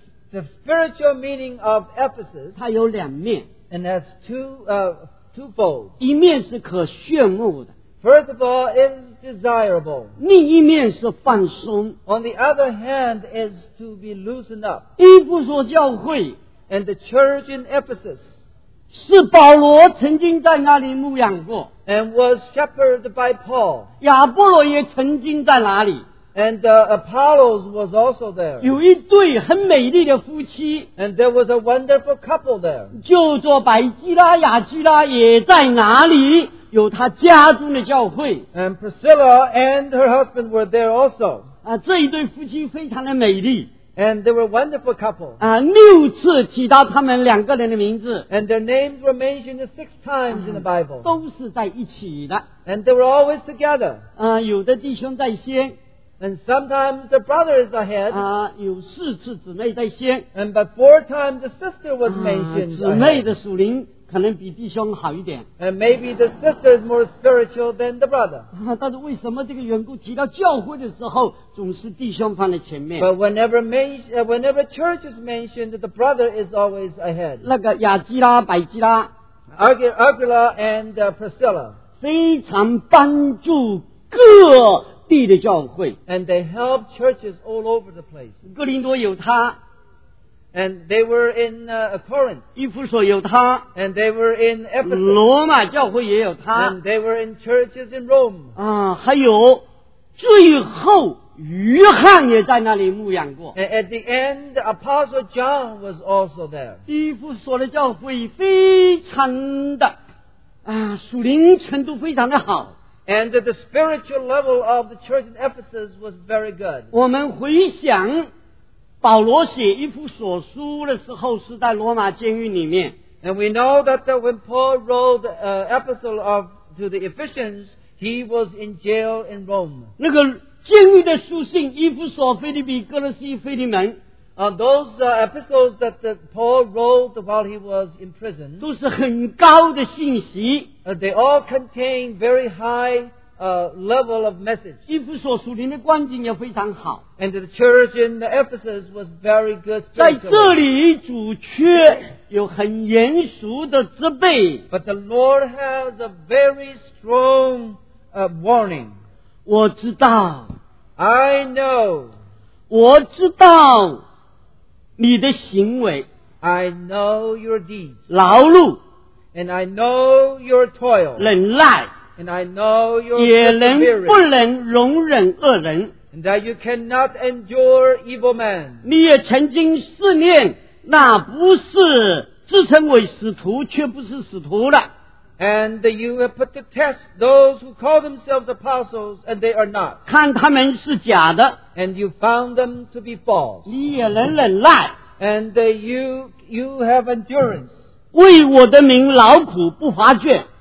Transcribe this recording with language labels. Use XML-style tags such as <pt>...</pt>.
<en>The spiritual meaning of Ephesus.</en> <zh>它有两面。</zh> <en>And has twofold.</en> <zh>一面是可炫目的。</zh> <en>First of all, it is desirable.</en> <zh>另一面是放松。</zh> <en>On the other hand, is to be loosened up.</en> <zh>以弗所教会</zh> <en>and the church in Ephesus</en> <zh>是保罗曾经在那里牧养过。</zh> <en>And was shepherded by Paul.</en> <zh>亚波罗也曾经在哪里。</zh> <en>And Apollos was also there.</en> <zh>有一对很美丽的夫妻。</zh> <en>And there was a wonderful couple there.</en> <zh>就做百基拉雅基拉也在哪里有他家中的教会。</zh> <en>And Priscilla and her husband were there also.</en> <zh>这一对夫妻非常的美丽。</zh> <en>And they were a wonderful couple.</en> <zh>六次提到他们两个人的名字。</zh> <en>And their names were mentioned six times in the Bible.</en> <zh>都是在一起的。</zh> <en>And they were always together.</en> <zh>有的弟兄在先。</zh> <en>And sometimes the brother is ahead.</en> <zh>有四次姊妹在先。</zh> <en>And but four times the sister was mentioned.</en> <zh>姊妹的属灵可能比弟兄好一点。</zh> <en>And maybe the sister is more spiritual than the brother.</en> <zh>但是为什么这个缘故提到教会的时候总是弟兄放在前面。</zh> <en>But whenever church is mentioned, the brother is always ahead.</en> <zh>那个亚基拉、百基拉。</zh> <en>Aguila and Priscilla.</en> <zh>非常帮助各地的教会</zh> <en>and they helped churches all over the place.</en> <zh>哥林多有他</zh> <en>and they were in Corinth.</en> <zh>以弗所有他</zh> <en>and they were in Ephesus.</en> <zh>罗马教会也有他</zh> <en>and they were in churches in Rome.</en> <zh>还有最后约翰也在那里牧养过</zh> <en>and at the end, Apostle John was also there.</en> <zh>以弗所的教会非常的属灵程度非常的好。</zh> <en>And the spiritual level of the church in Ephesus was very good.</en> <zh>我们回想保罗写以弗所书的时候是在罗马监狱里面。</zh> <en>And we know that when Paul wrote the epistle to the Ephesians, he was in jail in Rome.</en> <zh>那个监狱的书信以弗所、腓立比、哥罗西、腓利门。</zh> <en>Those epistles that Paul wrote while he was in prison,</en> <zh>都是很高的信息。</zh> <en>They all contain very high level of message.</en> <zh>以弗所属灵的光景也非常好。</zh> <en>And the church in Ephesus was very good.</en> <zh>在这里主却有很严肃的责备。</zh> <en>But the Lord has a very strong warning.</en> <zh>我知道。</zh> <en>I know.</en> <zh>我知道。你的行为</zh> <en>I know your deeds</en> <zh>劳碌</zh> <en>and I know your toil</en> <zh>忍耐</zh> <en>And I know your spirit. And that you cannot endure evil man.</en> <zh>你也曾经试念，那不是自称为使徒，却不是使徒了。</zh> <en>And you have put to test those who call themselves apostles, and they are not.</en> <zh>看他们是假的。</zh> <en>And you found them to be false.</en> <zh>你也能忍耐。</zh> <en>And you have endurance.</en> <zh>为我的名劳苦不乏倦。</zh>